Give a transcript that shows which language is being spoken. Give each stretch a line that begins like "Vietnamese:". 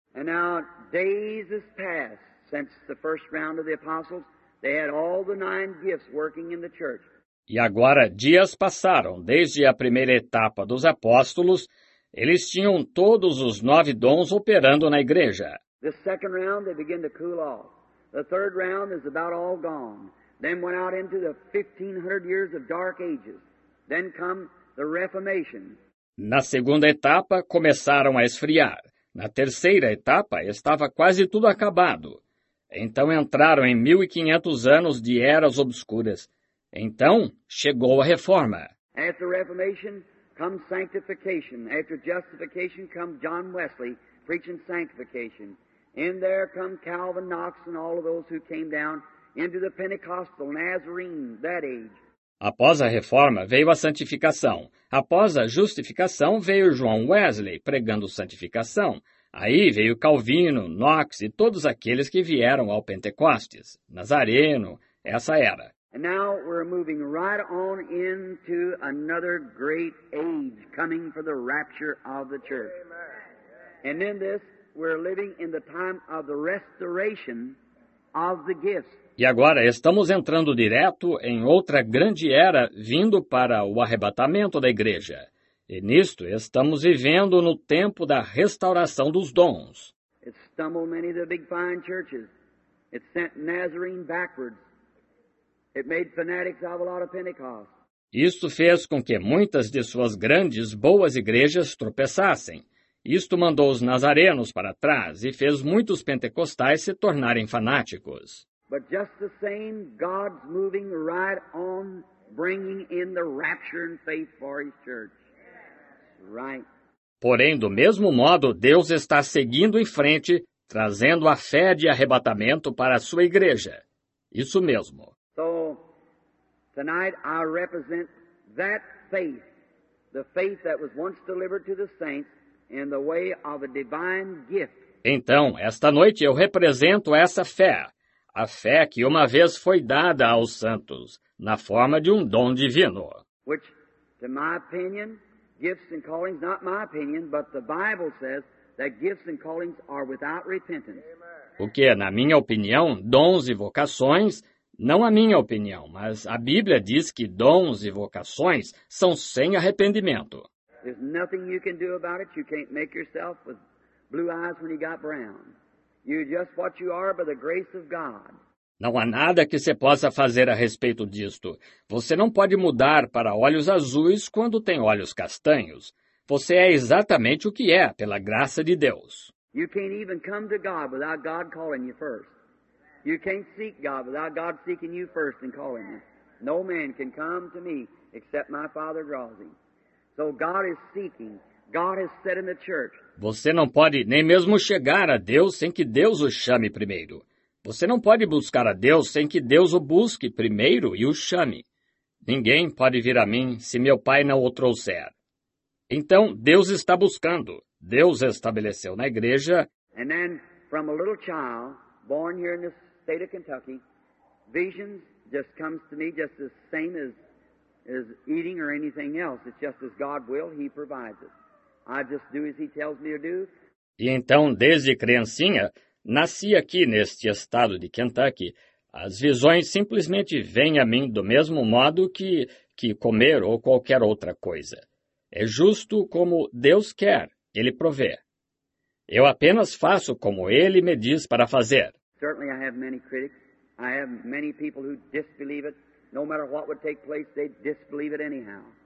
English: And now, days have passed since the first round of the apostles. They had all the nine gifts working in the church.
Portuguese: E agora, dias passaram desde a primeira etapa dos apóstolos. Eles tinham todos os nove dons operando na igreja.
English: The second round, they begin to cool off. The third round is about all gone. Then went out into the 1500 years of dark ages. Then come the Reformation.
Portuguese: Na segunda etapa, começaram a esfriar. Na terceira etapa, estava quase tudo acabado. Então entraram em 1500 anos de eras obscuras. Então, chegou a Reforma.
English: At the Reformation, come sanctification. After justification, come John Wesley preaching sanctification. In there come Calvin, Knox, and all of those who came down into the Pentecostal Nazarene that age.
Portuguese: Após a Reforma veio a santificação. Após a justificação veio João Wesley pregando santificação. Aí veio Calvino, Knox e todos aqueles que vieram ao Pentecostes, Nazareno, essa era.
English: And now we're moving right on into another great age coming for the rapture of the church. And in this, we're living in the time of the restoration of the gifts.
Portuguese: E agora estamos entrando direto em outra grande era vindo para o arrebatamento da igreja. E nisto estamos vivendo no tempo da restauração dos dons.
English: It stumbled many of the big fine churches. It sent Nazarene backwards. It made fanatics of a lot of Pentecosts.
Portuguese: Isto fez com que muitas de suas grandes, boas igrejas tropeçassem. Isto mandou os nazarenos para trás e fez muitos pentecostais se tornarem fanáticos.
English: But just the same, God's moving right on bringing in the rapture and faith for his church. Right.
Portuguese: Porém, do mesmo modo, Deus está seguindo em frente, trazendo a fé de arrebatamento para a sua igreja. Isso mesmo.
English: So, tonight I represent that faith, the faith that was once delivered to the saints in the way of a divine gift.
Portuguese: Então, esta noite eu represento essa fé. A fé que uma vez foi dada aos santos, na forma de um dom divino.
English: Which, to my opinion, gifts and callings, not my opinion, but the Bible says that gifts and callings are without repentance.
Portuguese: O que, na minha opinião, dons e vocações, não a minha opinião, mas a Bíblia diz que dons e vocações são sem arrependimento.
English: There's nothing you can do about it. You can't make yourself with blue eyes when you got brown. You're just what you are by the grace of God.
Portuguese: Não há nada que se possa fazer a respeito disto. Você não pode mudar para olhos azuis quando tem olhos castanhos. Você é exatamente o que é pela graça de Deus.
English: You can't even come to God without God calling you first. You can't seek God without God seeking you first and calling you. No man can come to me except my Father draws him. So God is seeking. God has said in the church.
Portuguese: Você não pode nem mesmo chegar a Deus sem que Deus o chame primeiro. Você não pode buscar a Deus sem que Deus o busque primeiro e o chame. Ninguém pode vir a mim se meu Pai não o trouxer. Então, Deus está buscando. Deus estabeleceu na igreja.
English: And then, from a little child, born here in the state of Kentucky, visions just comes to me just the same as eating or anything else. It's just as God will, he provides it. I just do as he tells me to do.
Portuguese: E então, desde criancinha, nasci aqui neste estado de Kentucky. As visões simplesmente vêm a mim do mesmo modo que comer ou qualquer outra coisa. É justo como Deus quer, ele provê. Eu apenas faço como ele me diz para fazer.
English: Certainly I have many critics. I have many people who disbelieve it. No matter what would take place, they disbelieve it anyhow.